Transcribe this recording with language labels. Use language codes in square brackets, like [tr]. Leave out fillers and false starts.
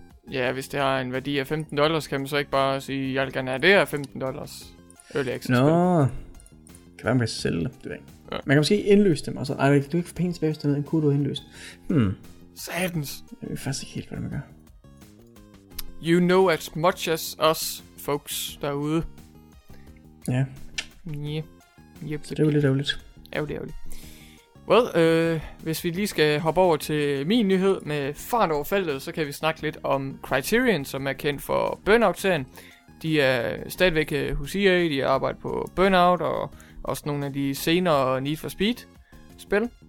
[da] Ja, hvis det har en værdi af $15, kan man så ikke bare sige, at jeg gerne er det her $15 Early Access. Nå, kan være, man kan sælge det. Det ved jeg. Ja. Man kan måske indløse dem. Og så, ej, du kan ikke få penge tilbage, hvis det er en kode indløst. Satans. Jeg ved faktisk ikke helt, hvad man gør. [en] You know as much as us, folks, [da] derude. Ja. [en] Yeah. Yep, [da] så det er jo lidt ærgerligt. Ærgerligt. Well, hvis vi lige skal hoppe over til min nyhed med faren over feltet, så kan vi snakke lidt om Criterion, som er kendt for Burnout-serien. De er stadigvæk hos EA, de arbejder på Burnout og også nogle af de senere Need for Speed-spil.